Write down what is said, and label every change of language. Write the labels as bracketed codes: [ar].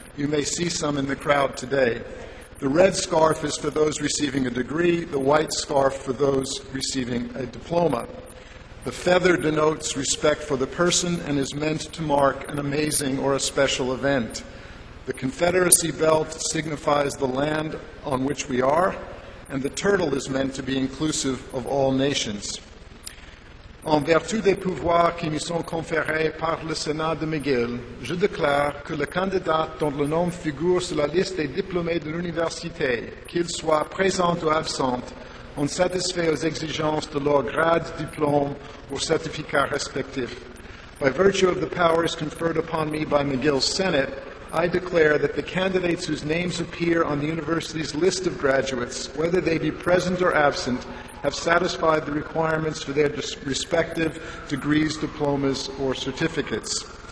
[en] You may see some in the crowd today. The red scarf is for those receiving a degree, the white scarf for those receiving a diploma. The feather denotes respect for the person and is meant to mark an amazing or a special event. The Confederacy belt signifies the land on which we are, and the turtle is meant to be inclusive of all nations. [fr] En vertu des pouvoirs qui me sont conférés par le Sénat de McGill, je déclare que le candidat dont le nom figure sur la liste des diplômés de l'université, qu'il soit présent ou absent, ont satisfait aux exigences de leur grade, diplôme ou certificat respectif. [en] By virtue of the powers conferred upon me by McGill's Senate, I declare that the candidates whose names appear on the university's list of graduates, whether they be present or absent, have satisfied the requirements for their respective degrees, diplomas, or certificates.